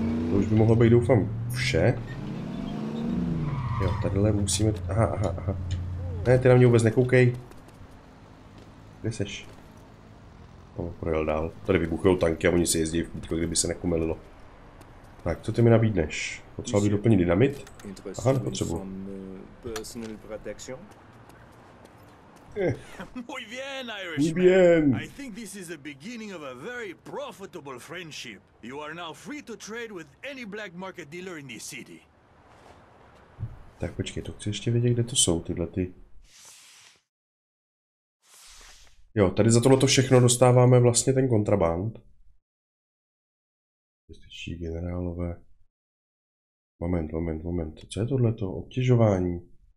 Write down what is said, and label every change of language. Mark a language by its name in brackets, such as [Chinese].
[Czech] To už by mohlo být, doufám, vše. Jo, tadyhle musíme... Aha. Ne, ty na mě vůbec nekoukej. Kde seš? On projel dál. Tady vybuchujou tanky a oni si jezdí, kdyby se nekumelilo. Tak, co ty mi nabídneš? Potřeba bych doplnit dynamit? Aha, nepotřebuji. [Spanish] Muy bien, [English] I think this is the beginning of a very profitable friendship. You are now free to trade with any black market dealer in this city. [Czech] Tak počkej, to chci ještě vědět, kde to jsou tyhle ty. Jo, tady za tohleto všechno dostáváme vlastně ten kontraband. Jestliší generálové. Moment. Co je tohleto? Obtěžování.